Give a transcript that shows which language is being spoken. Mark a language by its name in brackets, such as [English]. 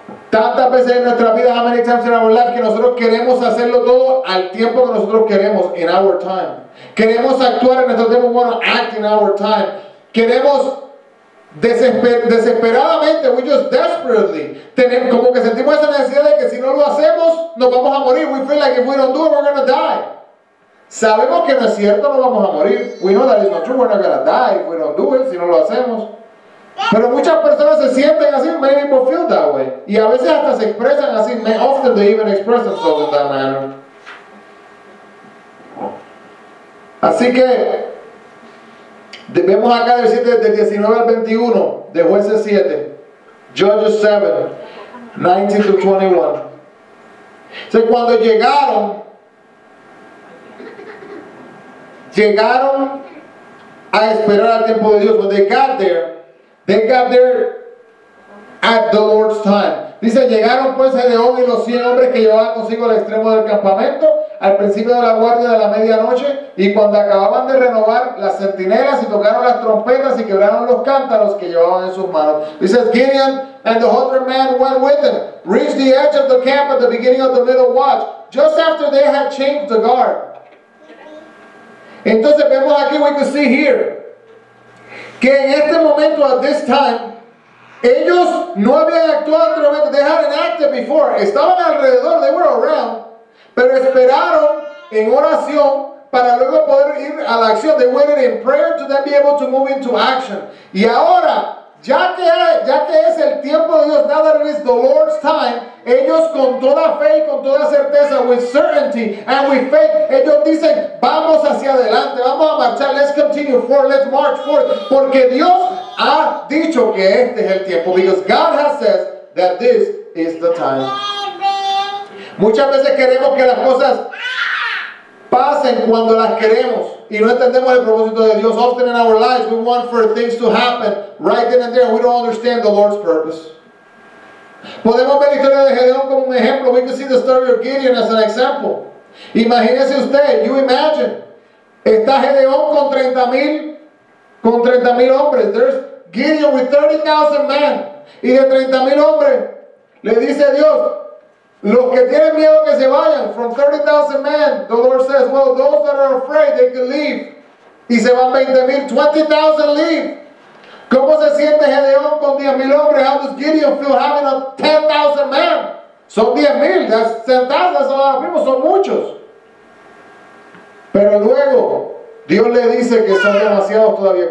[Spanish] Tantas veces en nuestra vida, [English] how many times in our life, [Spanish] que nosotros queremos hacerlo todo al tiempo que nosotros queremos, [English] in our time. [Spanish] Queremos actuar en nuestro tiempo, bueno, [English] act in our time. [Spanish] Queremos desesperadamente, [English] we just desperately, [Spanish] como que sentimos esa necesidad de que si no lo hacemos, nos vamos a morir. [English] We feel like if we don't do it, we're going to die. [Spanish] Sabemos que no es cierto, no vamos a morir. [English] We know that it's not true, we're not going to die if we don't do it, [Spanish] si no lo hacemos. Pero muchas personas se sienten así, [English] many people feel that way. [Spanish] Y a veces hasta se expresan así, [English] often they even express themselves in that manner. [Spanish] Así que, vemos acá del 7, del 19 al 21, de Jueces 7, Judges 7, 19-21. Entonces, cuando llegaron, llegaron a esperar al tiempo de Dios. [English] When they got there at the Lord's time. [Spanish] Dice, llegaron pues Gedeón y los 100 hombres que llevaban consigo al extremo del campamento, al principio de la guardia de la medianoche, y cuando acababan de renovar las centinelas y tocaron las trompetas y quebraron los cántaros que llevaban en sus manos. [English] Dice, Gideon and the 100 men went with them, reached the edge of the camp at the beginning of the middle watch, just after they had changed the guard. [Spanish] Entonces vemos aquí, [English] we can see here, [Spanish] que en este momento, [English] at this time, [Spanish] ellos no habían actuado anteriormente. [English] They hadn't acted before. [Spanish] Estaban alrededor, [English] they were around, [Spanish] pero esperaron en oración para luego poder ir a la acción. [English] They waited in prayer to then be able to move into action. [Spanish] Y ahora, ya que es el tiempo de Dios, [English] now that it is the Lord's time, [Spanish] ellos con toda fe y con toda certeza, [English] with certainty and with faith, [Spanish] ellos dicen, vamos hacia adelante, vamos a marchar, [English] let's continue forward, let's march forward, [Spanish] porque Dios ha dicho que este es el tiempo, [English] because God has said that this is the time. [Spanish] Muchas veces queremos que las cosas pasen cuando las queremos y no entendemos el propósito de Dios. [English] Often in our lives we want for things to happen right then and there. We don't understand the Lord's purpose. [Spanish] Podemos ver la historia de Gedeón como un ejemplo. [English] We can see the story of Gideon as an example. [Spanish] Imagínese usted, [English] you imagine, [Spanish] está Gedeón con 30,000 hombres. [English] There's Gideon with 30,000 men. [Spanish] Y de 30,000 hombres le dice Dios, los que tienen miedo que se vayan. [English] From 30,000 men, the Lord says, well, those that are afraid, they can leave. [Spanish] Y se van 20,000, [English] 20,000 leave. [Spanish] ¿Cómo se siente Gedeón con 10,000 hombres? [English] How does Gideon feel having a 10,000 men? [Spanish] Son 10,000, [English] that's a lot of people, [Spanish] son muchos. Pero luego, Dios le dice que son demasiados todavía.